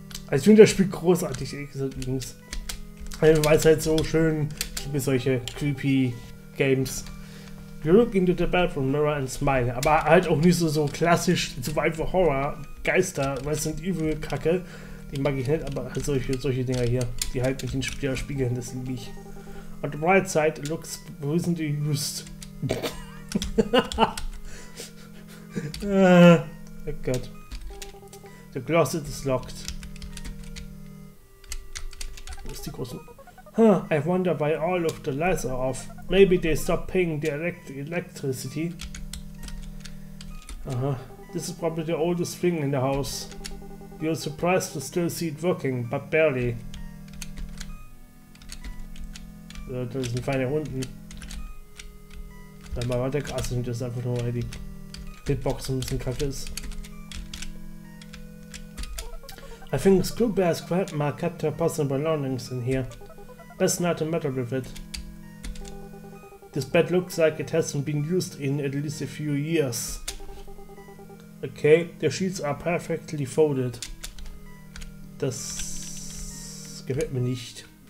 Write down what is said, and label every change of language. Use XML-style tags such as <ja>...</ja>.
<de>Ich finde das Spiel großartig, ehrlich gesagt, übrigens. Weil es halt so schön, ich liebe solche creepy Games.</de> <en>You look into the bathroom mirror and smile.</en> <de>Aber halt auch nicht so klassisch Survival Horror Geister, weil es sind übel Kacke. Die mag ich nicht, aber halt solche Dinger hier, die halt mit den Spielern spiegeln, das liebe ich.</de> <en>On the bright side looks recently used.</en> <de>oh Gott.</de> <en>The closet is locked.</en> <de>Die großen.</de> <en>Huh, I wonder why all of the lights are off. Maybe they stop paying the electricity. Aha. This is probably the oldest thing in the house. You're surprised to still see it working, but barely.</en> <de>So, da sind feine Hunden. Dann mal weiter krass und das einfach nur, weil die Hitbox ein bisschen kacke ist.</de> <en>I think Scoobear's grandma kept her personal belongings in here. Best not to meddle with it. This bed looks like it hasn't been used in at least a few years. Okay, the sheets are perfectly folded.</en> <de>Das gefällt mir nicht.</de>